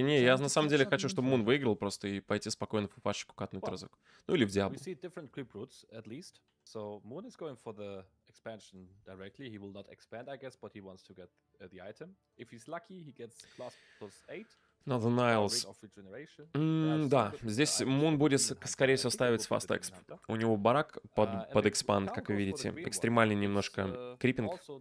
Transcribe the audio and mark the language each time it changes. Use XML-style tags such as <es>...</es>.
<ru>Не, я на самом деле хочу, чтобы Мун выиграл просто и пойти спокойно в пупащику катнуть разок. Ну или в Диабло.</ru> <en>We see different creep routes at least. So Moon is going for the expansion directly. He will not expand, I guess, but he wants to get the item. If he's lucky, he gets class plus 8. Another Niles.</en> <ru>Да, здесь Мун будет, скорее всего, ставить с Fast Exp. У него барак под экспанд, как вы видите. Экстремальный немножко крипинг.</ru>